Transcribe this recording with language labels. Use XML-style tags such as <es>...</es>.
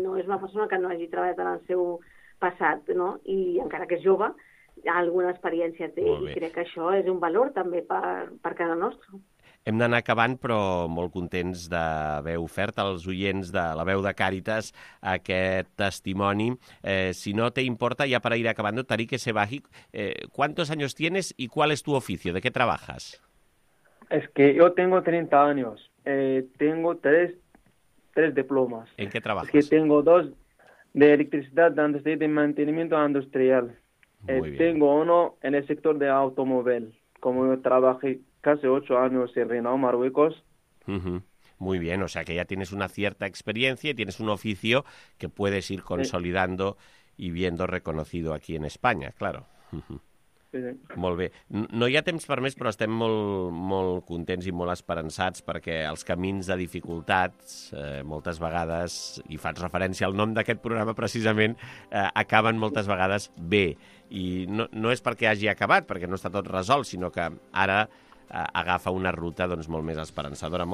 <ca>No és una persona que no hagi treballat en el seu passat, no? I encara que és jove, alguna experiència té, i crec que això és un valor també per cada nostre. Hem d'anar acabant, però molt contents d'haver ofert als oients de la veu de Càritas aquest testimoni.</ca> <es>Si no te importa, ya para ir acabando, Tariq Essebahi, ¿cuántos años tienes y cuál es tu oficio? ¿De qué trabajas? Es que yo tengo 30 años. Tengo tres diplomas. ¿En qué trabajas? Es que tengo dos de electricidad, de mantenimiento industrial. Tengo uno en el sector de automóvil, como yo trabajé casi 8 años en Reino, Marruecos. Muy bien, o sea que ya tienes una cierta experiencia y tienes un oficio que puedes ir consolidando y viendo reconocido aquí en España, claro. Sí.</es> <ca>Molt bé. No hi ha temps per més, però estem molt, molt contents i molt esperançats perquè els camins de dificultats, moltes vegades, i faig referència al nom d'aquest programa precisament, acaben moltes vegades bé. I no és perquè hagi acabat, perquè no està tot resolt, sinó que ara agafa una ruta doncs, molt més esperançadora.</ca>